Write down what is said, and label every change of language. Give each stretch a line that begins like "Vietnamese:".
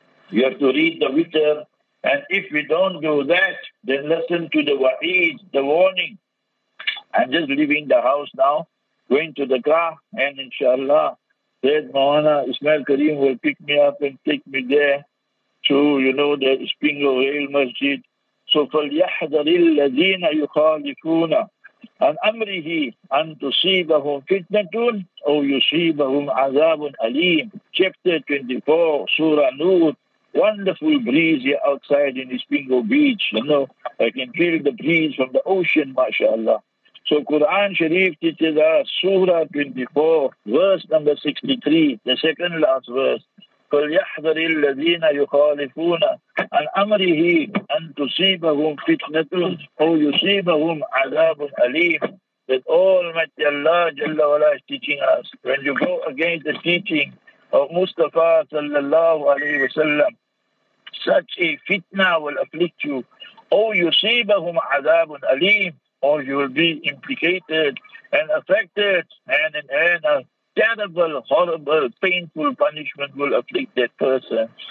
English: You have to read the Witr. And if you don't do that, then listen to the wa'id, the warning. I'm just leaving the house now, going to the car, and inshallah, Sayyid Mawlana Ismail Kareem will pick me up and take me there to, you know, the Spingo Rail Masjid.
Arabic: So, فَلْيَحْذَرِ الَّذِينَ يُخَالِفُونَ عَنْ أَمْرِهِ أَنْ تُصِيبَهُمْ فِتْنَةٌ أَوْ يُصِيبَهُمْ عَذَابٌ أَلِيمٌ
English: Chapter 24, Surah Nur. Wonderful breeze here outside in Spingo Beach, you know. I can feel the breeze from the ocean, mashallah. So Quran Sharif teaches us, Surah 24, verse number 63, the second last verse.
Arabic: فَلْيَحْذَرِ الَّذِينَ يُخَالِفُونَ عَنْ أَمْرِهِ أَنْ تُصِيبَهُمْ فِتْنَةٌ أَوْ يُصِيبَهُمْ عَذَابٌ أَلِيمٌ
English: That Almighty Allah Jalla Wala is teaching us. When you go against the teaching of Mustafa Sallallahu Alaihi Wasallam, such a fitna will afflict you.
Arabic: أَوْ يُصِيبَهُمْ عَذَابٌ أَلِيمٌ
English: Or you will be implicated and affected, and a terrible, horrible, painful punishment will afflict that person.